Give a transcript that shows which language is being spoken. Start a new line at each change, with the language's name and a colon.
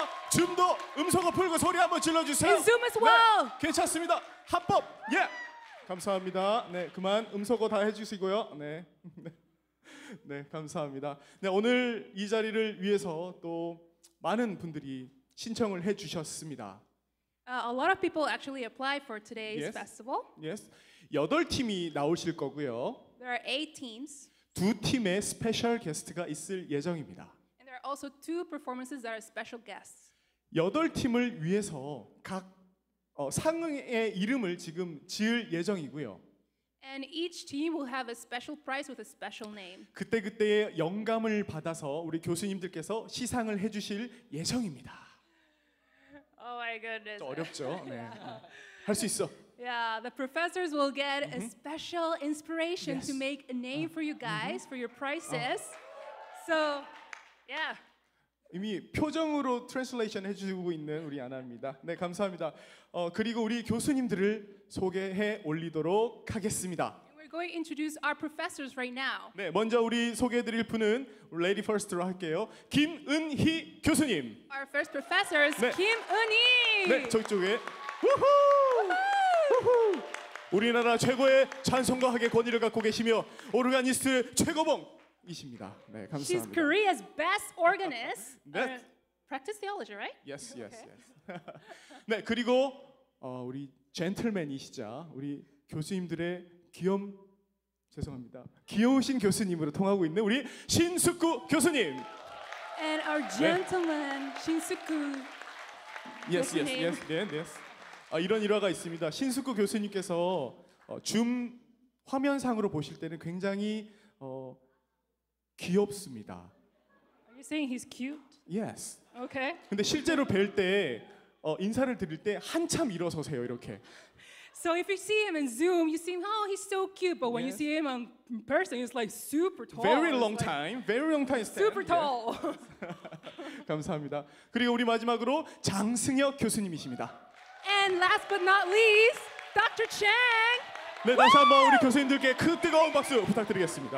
Korean: 줌도 음성을 풀고 소리 한번 질러주세요.
English: And Zoom as well.
Korean: 네, 괜찮습니다. 합법. 예. Yeah. 감사합니다. 네, 그만 음성어 다 해주시고요. 네. 네, 감사합니다. 네, 오늘 이 자리를 위해서 또 많은 분들이 신청을 해주셨습니다.
English: A lot of people actually applied for today's yes. festival.
Korean: Yes, 여덟 팀이 나오실 거고요.
English: There are eight teams.
Korean: 두 팀의 스페셜 게스트가 있을 예정입니다.
English: And there are also two performances that are special guests.
Korean: 여덟 팀을 위해서 각 상의 이름을 지금 지을 예정이고요.
English: And each team will have a special prize with a special name.
Korean: 그때그때의 영감을 받아서 우리 교수님들께서 시상을 해 주실 예정입니다.
English: Oh my goodness.
Korean: 어렵죠. 네. 할 수 있어.
English: Yeah, the professors will get a special inspiration to make a name for you guys for your prizes. So, yeah.
Korean: 이미 표정으로 트랜슬레이션 해주고 있는 우리 아나입니다. 네, 감사합니다. 그리고 우리 교수님들을 소개해 올리도록 하겠습니다. We're going to introduce our professors right now. 네, 먼저 우리 소개해드릴 분은
English: Lady First
Korean: 로 할게요. 김은희 교수님.
English: Our first professor is 네. 김은희.
Korean: 네, 저쪽에. 우후! 우후! 우리나라 최고의 찬송가학의 권위를 갖고 계시며 오르가니스트 최고봉. 이십니다. 네, 감사합니다.
English: She's Korea's best organist. That, practice theology, right? Yes, yes, yes.
Korean: 네, 그리고 우리 젠틀맨이시자 우리 교수님들의 귀염 죄송합니다. 귀여우신 교수님으로 통하고 있는 우리 신숙구 교수님.
English: And our gentleman 네. 신숙구. Yes, yes, yes, yes, yes.
Korean: 이런 일화가 있습니다. 신숙구 교수님께서 줌 화면상으로 보실 때는 굉장히 귀엽습니다.
English: Are you saying he's cute? Yes. Okay.
Korean: 근데 실제로 뵐 때 인사를 드릴 때 한참 일어서세요. 이렇게.
English: So if you see him in Zoom, you see him, oh, he's so cute. But when yes. you see him in person, he's like super tall. Very long like, time. Very long time. Super tall.
Korean: 감사합니다. 그리고 우리 마지막으로 장승혁 교수님이십니다.
English: And last but not least, Dr. Chang.
Korean: 네, 다시 한번 우리 교수님들께 큰 뜨거운 박수 부탁드리겠습니다.